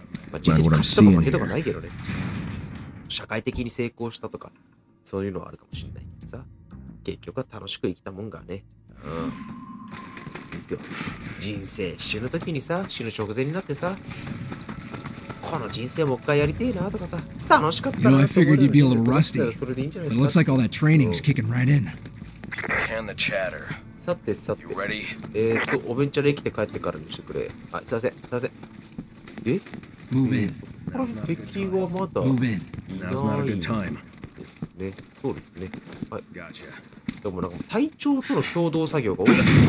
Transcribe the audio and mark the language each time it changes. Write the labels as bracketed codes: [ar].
[ja] まあ、実際に勝ちとかも負けとかないけどね。社会的に成功したとかそういうのはあるかもしれないけどさ、結局は楽しく生きたもんがね。ですよ。人生死ぬときにさ、死ぬ直前になってさ、この人生もう一回やりてえなとかさ、楽しかった [en] な。 You know, I figured you'd be a little rusty. It looks like all that training's kicking right in. Can the chatter. [ja] さてさて。 [en] You ready? [ja] お弁当で生きて帰ってからにしてくれ。はい、すいません、すいません。え [en] ?Move in. [ja] これ、敵はまだ。 [en] Move in. Now's not a good time. [ja] ですね。そうですね。はい。 [en] Gotcha. [ja] でもなんか、隊長との共同作業が多いな。